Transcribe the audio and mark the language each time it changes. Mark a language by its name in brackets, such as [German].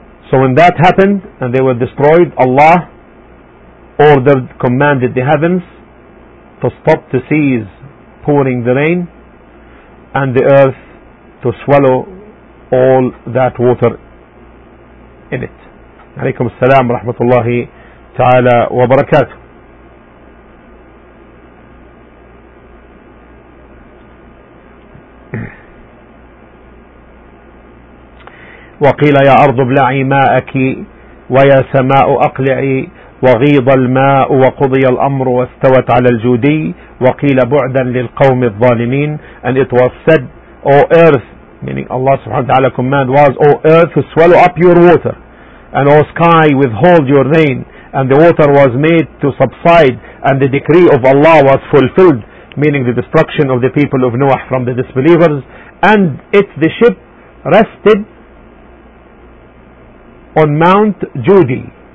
[English] So when that happened and they were destroyed, Allah ordered, commanded the heavens to stop to cease pouring the rain, and the earth to swallow all that water in it. [Arabic] عليكم السلام ورحمة الله تعالى وبركاته. وقيل يا أرض ابلعي ماءك ويا سماء أقلعي وغيض الماء وقضي الأمر واستوت على الجودي وقيل بعدا للقوم الظالمين. [English] And it was said, O earth, meaning Allah subhanahu wa ta'ala command was, O earth, swallow up your water, and O sky, withhold your rain, and the water was made to subside, and the decree of Allah was fulfilled, meaning the destruction of the people of Noah from the disbelievers, and it, the ship, rested on Mount Judi.